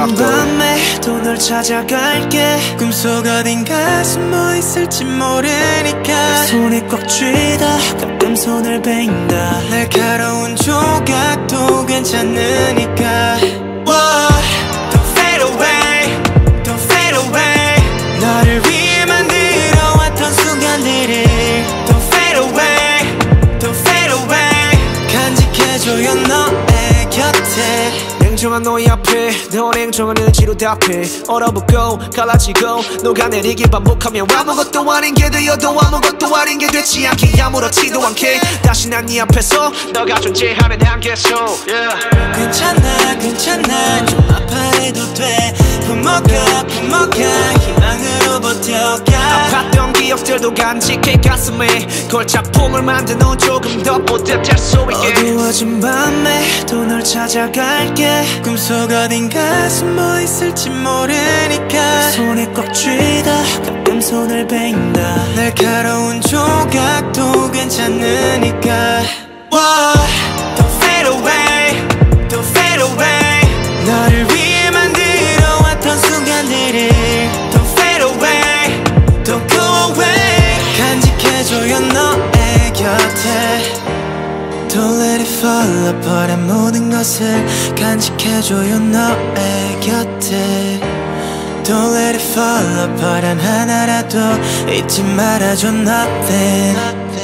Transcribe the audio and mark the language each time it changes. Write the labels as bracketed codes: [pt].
[ko] 어두워진 밤에 또 널 찾아갈게 꿈속 어딘가 숨어 있을지 모르니까 손에 꽉 쥐다 가끔 손을 베인다 날카로운 조각도 괜찮으니까 [en] Whoa, Don't fade away Don't fade away [ko] 너를 위해 만들어 왔던 순간들을 [en] Don't fade away Don't fade away [ko] 간직해줘요 너의 곁에 냉정한 너의 앞에 넌 냉정한 의지로 답해 얼어붙고 갈라지고 녹아내리기 반복하면 아무것도 아닌 게 되어도 아무것도 아닌 게 되지 않게 아무렇지도 않게 다시 난 네 앞에서 너가 존재하는 한계 속 yeah. 괜찮아 괜찮아 좀 아파해도 돼 품어가 품어가 희망으로 버텨가 아팠던 기억들도 간직해 가슴에 골차품을 만드는 조금 더 뿌듯할 수 있게 어두워진 밤에 또 널 찾아갈게 꿈속 어딘가 숨어 있을지 모르니까 손에 꽉 쥐다 가끔 손을 베인다 날카로운 조각도 괜찮으니까 [en] Whoa, Don't fade away Don't fade away [ko] 너를 위해 만들어 왔던 순간들을 [en] Don't fade away Don't go away [ko] 간직해줘요 너의 곁에 [en] Don't let it fall apart [ko] 한 모든 것을 간직해줘요 너의 곁에 Don't let it fall apart 단 하나라도 잊지 말아줘 nothing